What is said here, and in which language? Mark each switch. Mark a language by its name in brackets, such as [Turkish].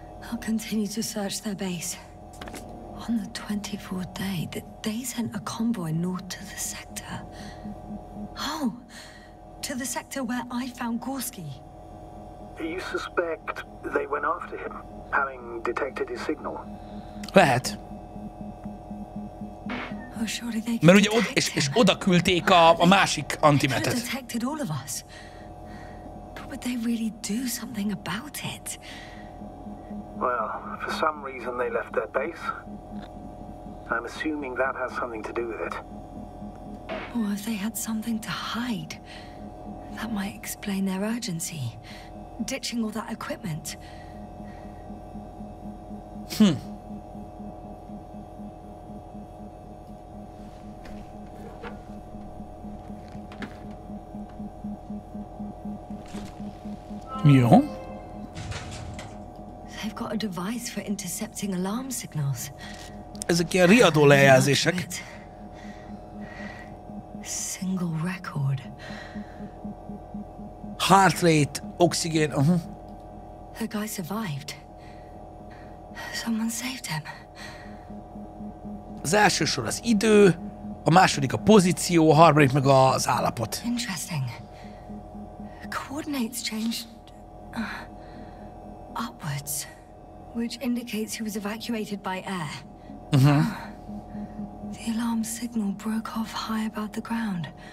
[English] I'll continue to search their base. On the 24th day, they sent a convoy north to the sector. Oh! To the sector where I found Gorski. You suspect they went after him, having detected his signal? [Hungarian] Lehet. [English] Oh, surely they [Hungarian] mert ugye oda, és oda küldték a másik antimetet. [English] They could have detected all of us. But would they really do something about it? Well, for some reason they left their base. I'm assuming that has something to do with it. Or if they had something to hide, that might explain their urgency. Ditching all that equipment. Yo. They've got a device for intercepting alarm signals. [Hungarian] Ezek ilyen riadó lejelzések. [English] Single record. Heart rate, oxygen. The guy survived. Someone saved him. [Hungarian] Az első sor az idő, a második a pozíció, a harmadik meg az állapot. [English] Interesting. Coordinates changed upwards, which indicates he was evacuated by air. The alarm signal broke off high above the ground.